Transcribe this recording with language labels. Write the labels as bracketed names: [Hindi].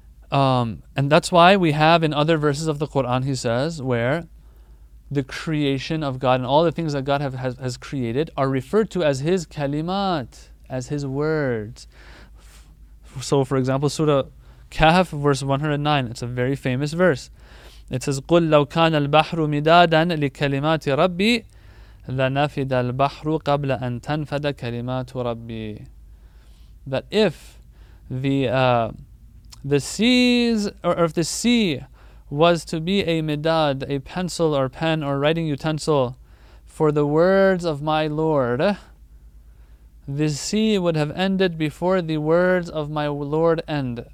[English] And that's why we have in other verses of the Quran, he says, where the creation of God and all the things that God has created are referred to as his kalimat, as his words. So for example, Surah Kahf, verse 109, it's a very famous verse. It says, [Arabic] قُلْ لَوْ كَانَ الْبَحْرُ مِدَادًا لِكَلِمَاتِ رَبِّي لَنَفِدَ الْبَحْرُ قَبْلَ أَن تَنْفَدَ كَلِمَاتُ رَبِّي. [English] That if the seas, or if the sea was to be a midad, a pencil or pen or writing utensil for the words of my Lord, the sea would have ended before the words of my Lord end.